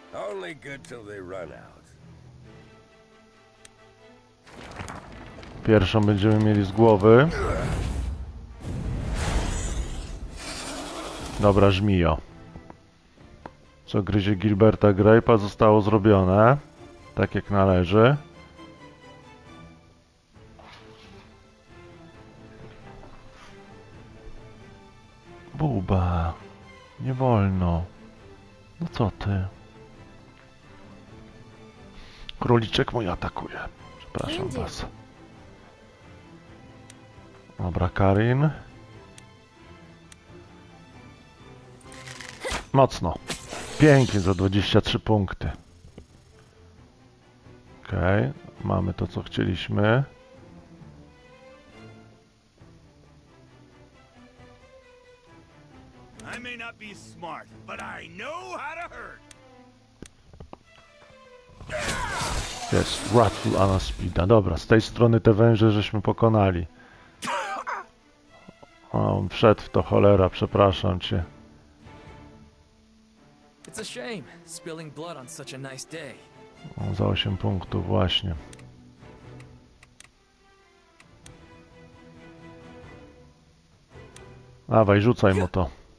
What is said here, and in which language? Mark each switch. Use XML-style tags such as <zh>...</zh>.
<en>Only good till they run out.</en> <pl>Pierwszą będziemy mieli z głowy. Dobra, żmijo. Co gryzie Gilberta Grape'a zostało zrobione. Tak jak należy. Buba. Nie wolno. No co ty? Króliczek mój atakuje. Przepraszam was. Dobra, Karin. Mocno. Pięknie, za 23 punkty. Okej, mamy to, co chcieliśmy.</pl> <en>I may not be smart, but I know how to hurt.</en> <pl>Jest Rattle Anna Speeda. Dobra, z tej strony te węże żeśmy pokonali. O, on wszedł w to, cholera, przepraszam cię.</pl> <en>It's a shame, spilling blood on such a nice day.</en> <pl>Za 8 punktów właśnie. Dawaj, rzucaj mu to.</pl>